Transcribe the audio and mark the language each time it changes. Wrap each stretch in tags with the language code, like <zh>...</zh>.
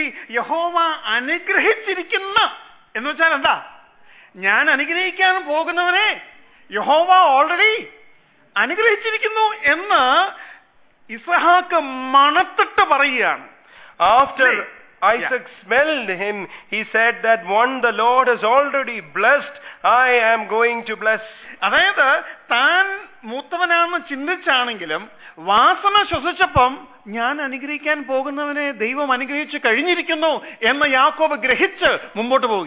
<ml>യഹോവ അനുഗ്രഹിച്ചിരിക്കുന്ന എന്ന് വെച്ചാൽ എന്താ? ഞാൻ അനുഗ്രഹിക്കാൻ പോകുന്നവനെ യഹോവ ഓൾറെഡി അനുഗ്രഹിച്ചിരിക്കുന്നു എന്ന് ഇസ്ഹാക്ക് മണത്തിട്ട് പറയുകയാണ്.</ml> <en>After Isaac smelled him, he said that one the Lord has already blessed, I am going to bless.</en> <ml>അതായത് താൻ മൂത്തവനാണെന്ന് ചിന്തിച്ചാണെങ്കിലും വാസന ശ്വസിച്ചപ്പം ഞാൻ അനുഗ്രഹിക്കാൻ പോകുന്നവനെ ദൈവം അനുഗ്രഹിച്ചു കഴിഞ്ഞിരിക്കുന്നു എന്ന് യാക്കോബ് ഗ്രഹിച്ച് മുമ്പോട്ട്</ml>